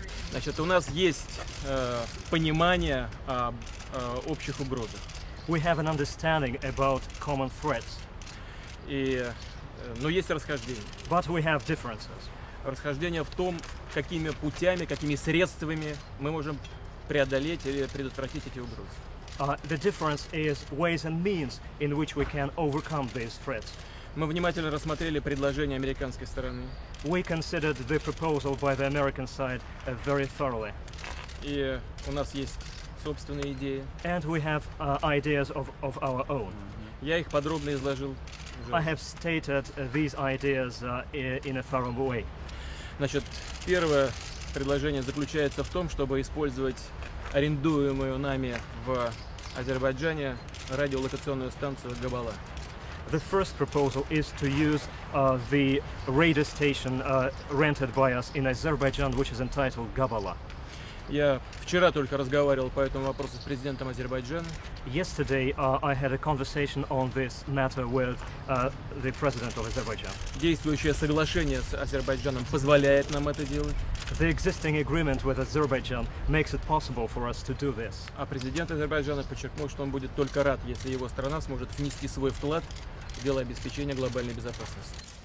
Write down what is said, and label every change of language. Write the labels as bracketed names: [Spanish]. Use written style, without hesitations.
[Russian] Значит, у нас есть понимание об общих угрозах. [English] We have an understanding about common threats. [Russian] И, но есть расхождения. [English] But we have differences. [Russian] Расхождение в том, какими путями, какими средствами мы можем преодолеть или предотвратить эти угрозы. [English] The difference is ways and means in which we can overcome these threats. [Russian] Мы внимательно рассмотрели предложение американской стороны. [English] We considered the proposal by the American side very thoroughly. [Russian] И у нас есть собственные идеи. [English] And we have ideas of our own. [Russian] Я их подробно изложил. [English] I have stated these ideas in a thorough way. [Russian] Значит, первое предложение заключается в том, чтобы использовать арендуемую нами в Азербайджане радиолокационную станцию Габала. [English] The first proposal is to use the radio station rented by us in Azerbaijan, which is entitled Габала. [Russian] Я вчера только разговаривал по этому вопросу с президентом Азербайджана. [English] Yesterday I had a conversation on this matter with the president of Azerbaijan. [Russian] Действующее соглашение с Азербайджаном позволяет нам это делать. [English] The existing agreement with Azerbaijan makes it possible for us to do this. [Russian] А президент Азербайджана подчеркнул, что он будет только рад, если его страна сможет внести свой вклад в дело обеспечения глобальной безопасности.